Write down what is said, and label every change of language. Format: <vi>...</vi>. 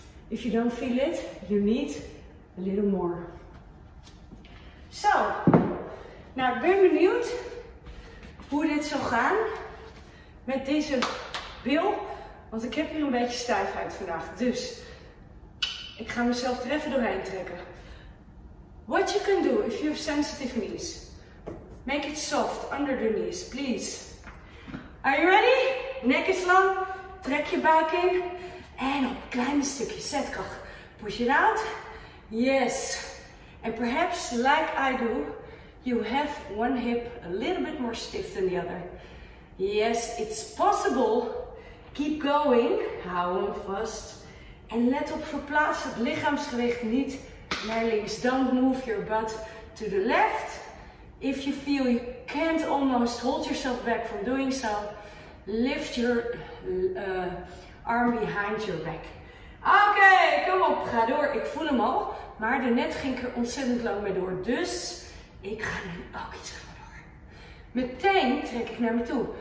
<en>If you don't feel it, you need a little more.</en> <nl>Zo. Nou, ik ben benieuwd hoe dit zal gaan met deze bil. Want ik heb hier een beetje stijfheid vandaag. Dus ik ga mezelf er even doorheen trekken.</nl> <en>What you can do if you have sensitive knees. Make it soft under the knees, please. Are you ready?</en> <nl>Nek is lang. Trek je buik in. En op een klein stukje zetkracht.</nl> <en>Push it out. Yes. And perhaps like I do, you have one hip a little bit more stiff than the other. Yes, it's possible. Keep going.</en> <nl>Hou hem vast. En let op, verplaats het lichaamsgewicht niet naar links.</nl> <en>Don't move your butt to the left. If you feel you can't almost hold yourself back from doing so, lift your arm behind your back.</en> <nl>Oké, kom op, ga door. Ik voel hem al, maar daarnet ging ik er ontzettend lang mee door. Dus ik ga nu ook iets langer door. Meteen trek ik naar me toe.</nl>